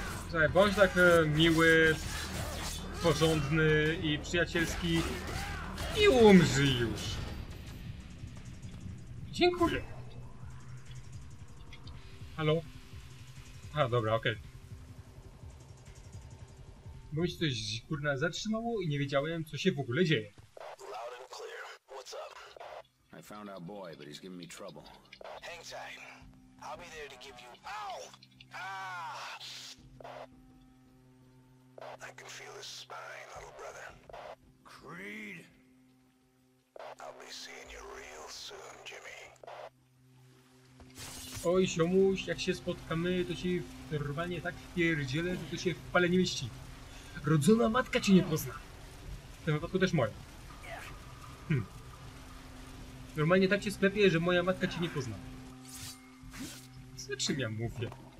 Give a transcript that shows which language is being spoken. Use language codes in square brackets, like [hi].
[pl] Słuchaj, bądź tak miły, porządny i przyjacielski i umrzyj już. Dziękuję. Halo? A, dobra, okej. Bo mi się coś kurna zatrzymało i nie wiedziałem, co się w ogóle dzieje. [en] Loud and clear. What's up? I found our boy, but he's giving me trouble. Hang time. I'll be there to give you... Ow! Ah! I can feel his spine, little brother. Creed! I'll be seeing you real soon, Jimmy. [pl] Oj, siomuś, jak się spotkamy, to ci normalnie tak wpierdzielę, że to się w pale nie mieści. Rodzona matka cię nie pozna. W tym wypadku też moja. Normalnie tak cię sklepię, że moja matka cię nie pozna. Co ty ja mówię?